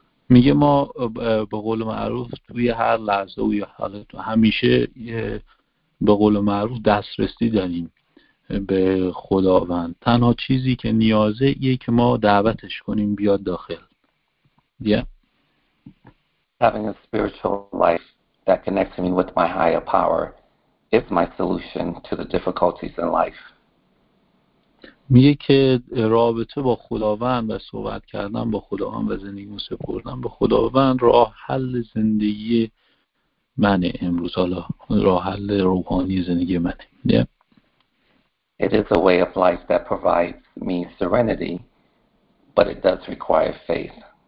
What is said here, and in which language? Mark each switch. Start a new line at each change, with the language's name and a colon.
Persian: میگه ما به قول معروف توی هر لحظه و حالت و همیشه به قول معروف دسترسی داریم به خداوند. تنها چیزی که نیازه یه که ما دعوتش کنیم بیاد داخل.
English: Yeah. Having a spiritual life that connects me with my higher power is my solution to the difficulties in life.
Persian: میگه که رابطه با خداوند و صحبت کردن با خداوند و زندگی رو سپردن با خداوند راه حل زندگی منه امروز، حالا راه حل روحانی زندگی منه.
English: Yeah. It is a way of life that provides me serenity, but it does require faith.